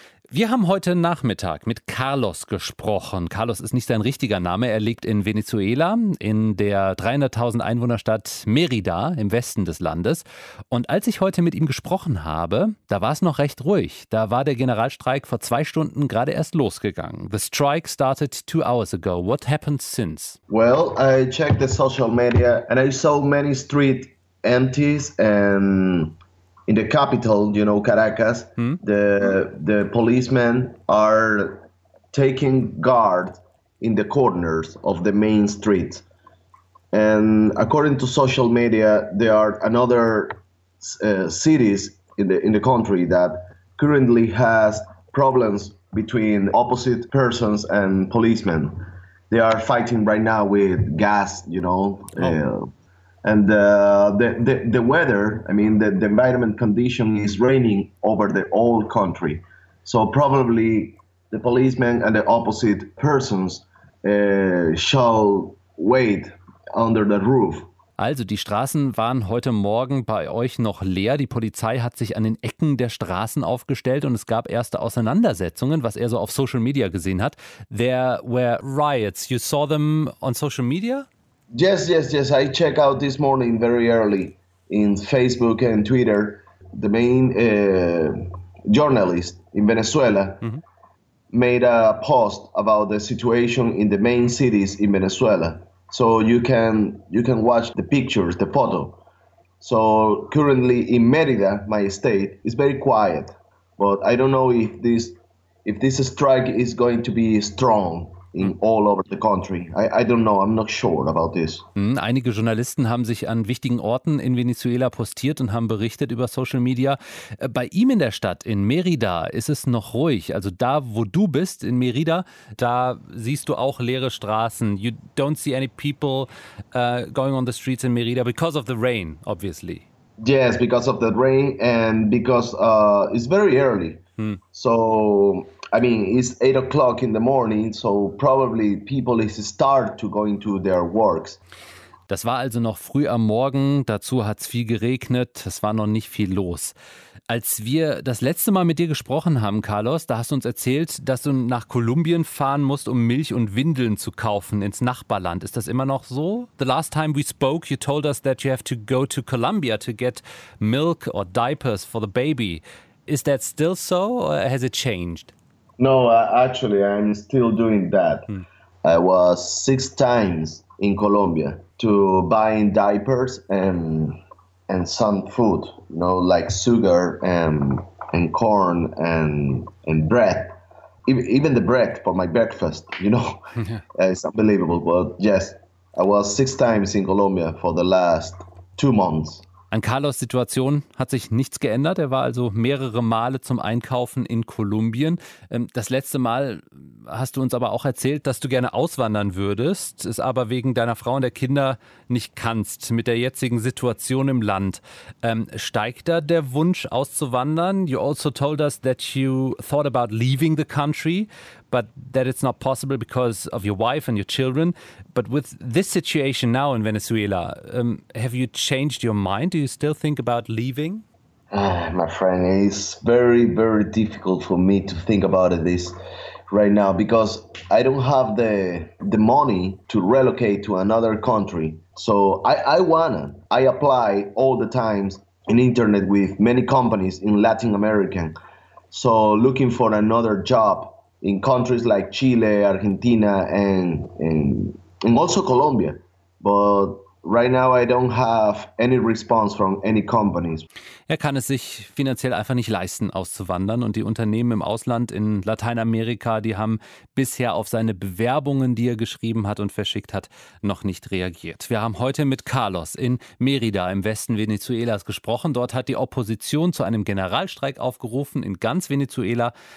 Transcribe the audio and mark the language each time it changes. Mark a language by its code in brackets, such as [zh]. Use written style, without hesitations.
[de] Wir haben heute Nachmittag mit Carlos gesprochen. Carlos ist nicht sein richtiger Name. Er lebt in Venezuela, in der 300.000 Einwohnerstadt Mérida im Westen des Landes. Und als ich heute mit ihm gesprochen habe, da war es noch recht ruhig. Da war der Generalstreik vor 2 Stunden gerade erst losgegangen. [en] The strike started 2 hours ago. What happened since? Well, I checked the social media and I saw many street empties and in the capital, you know, Caracas, the policemen are taking guard in the corners of the main streets. And according to social media, there are another cities in the country that currently has problems between opposite persons and policemen. They are fighting right now with gas, you know. And the weather, I mean, the environment condition is raining over the whole country. So probably the policemen and the opposite persons shall wait under the roof. [de] Also die Straßen waren heute Morgen bei euch noch leer. Die Polizei hat sich an den Ecken der Straßen aufgestellt und es gab erste Auseinandersetzungen, was er so auf Social Media gesehen hat. [en] There were riots. You saw them on social media? Yes. I check out this morning very early in Facebook and Twitter. The main journalist in Venezuela made a post about the situation in the main cities in Venezuela. So you can watch the pictures, the photo. So currently in Mérida, my state, it's very quiet. But I don't know if this strike is going to be strong in all over the country. I don't know, I'm not sure about this. [de] Einige Journalisten haben sich an wichtigen Orten in Venezuela postiert und haben berichtet über Social Media. Bei ihm in der Stadt, in Mérida, ist es noch ruhig. Also da, wo du bist, in Mérida, da siehst du auch leere Straßen. [en] You don't see any people going on the streets in Mérida because of the rain, obviously. Yes, because of the rain and because it's very early. So I mean, it's 8 o'clock in the morning, so probably people is start to go into their works. [de] Das war also noch früh am Morgen. Dazu hat es viel geregnet. Es war noch nicht viel los. Als wir das letzte Mal mit dir gesprochen haben, Carlos, da hast du uns erzählt, dass du nach Kolumbien fahren musst, um Milch und Windeln zu kaufen ins Nachbarland. Ist das immer noch so? [en] The last time we spoke, you told us that you have to go to Colombia to get milk or diapers for the baby. Is that still so or has it changed? No, actually, I'm still doing that. I was 6 times in Colombia to buy diapers and some food, you know, like sugar and corn and bread. Even the bread for my breakfast, you know, it's unbelievable. But yes, I was 6 times in Colombia for the last 2 months. [de] An Carlos' Situation hat sich nichts geändert. Er war also mehrere Male zum Einkaufen in Kolumbien. Das letzte Mal hast du uns aber auch erzählt, dass du gerne auswandern würdest, es aber wegen deiner Frau und der Kinder nicht kannst mit der jetzigen Situation im Land. Steigt da der Wunsch auszuwandern? [en] You also told us that you thought about leaving the country, but that it's not possible because of your wife and your children. But with this situation now in Venezuela, have you changed your mind? Do you still think about leaving? My friend, it's very, very difficult for me to think about this right now because I don't have the money to relocate to another country. So I apply all the times in internet with many companies in Latin America. So looking for another job in countries like Chile, Argentina, and also Colombia. But right now I don't have any response from any companies. [de] Er kann es sich finanziell einfach nicht leisten, auszuwandern. Und die Unternehmen im Ausland, in Lateinamerika, die haben bisher auf seine Bewerbungen, die er geschrieben hat und verschickt hat, noch nicht reagiert. Wir haben heute mit Carlos in Mérida im Westen Venezuelas gesprochen. Dort hat die Opposition zu einem Generalstreik aufgerufen in ganz Venezuela.